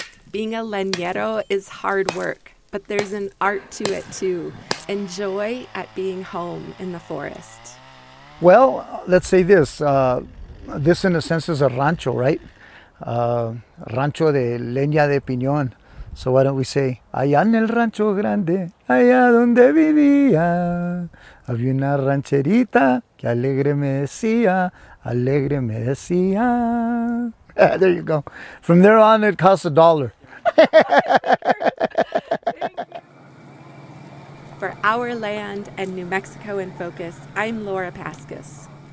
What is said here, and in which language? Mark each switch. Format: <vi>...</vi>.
<en>Being a leñero is hard work, but there's an art to it too, and joy at being home in the forest. Well, let's say this. This in a sense is a rancho, right?</en> <es>Rancho de leña de piñón.</es> <en>So why don't we say,</en> <es>allá en el rancho grande, allá donde vivía, había una rancherita que alegre me decía, alegre me decía.</es> <en>There you go. From there on, it costs a dollar. For Our Land and New Mexico in Focus, I'm Laura Paskus.</en>